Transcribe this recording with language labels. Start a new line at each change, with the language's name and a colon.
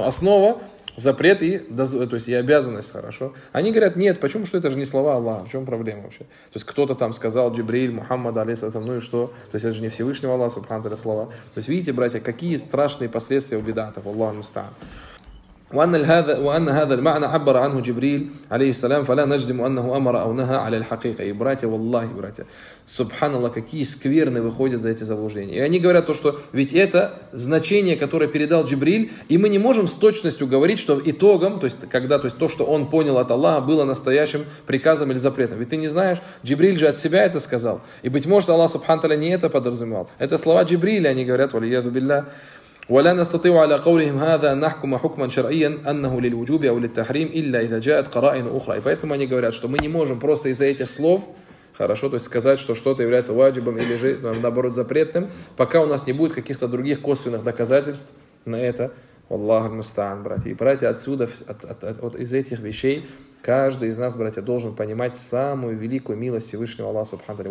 Russian: Но основа, запрет и обязанность, хорошо? Они говорят, нет, почему, что это же не слова Аллаха, в чем проблема вообще? То есть кто-то там сказал, Джибриль, Мухаммад, алейхиссалям, ну и что? То есть это же не Всевышний Аллах Субхану Тааля слова. То есть видите, братья, какие страшные последствия у бедатов, Аллаху мустаан.
Arabic: وأن هذا المعنى عبر عنه جبريل عليه السلام فلا نجزم أنه أمر أو نهى على الحقيقة.
Russian: И братья,
Arabic: والله,
Russian: братья, субханаллах, какие скверны выходят за эти заблуждения. И они говорят то, что ведь это значение, которое передал Джибрил, и мы не можем с точностью говорить, что итогом, то есть когда, то есть то, что он понял от Аллаха, было настоящим приказом или запретом. Ведь ты не знаешь, Джибрил же от себя это сказал. И быть может, Аллах субханаллах не это подразумевал. Это слова Джибрила, они говорят, валиязу биллях.
Arabic: ولا نستطيع على قولهم هذا أن نحكم حكما شرعيا أنه للوجوب أو للتحريم إلا إذا جاءت قرائن أخرى.
Russian: И поэтому они говорят, что мы не можем просто из-за этих слов, хорошо, то есть сказать, что что-то является ваджибом или же, наоборот, запретным, пока у нас не будет каких-то других косвенных доказательств на это. Аллаху мустаан, братья. И, братья, отсюда, вот из этих вещей, каждый из нас, братья, должен понимать самую великую милость Всевышнего Аллаха, субхану тааля.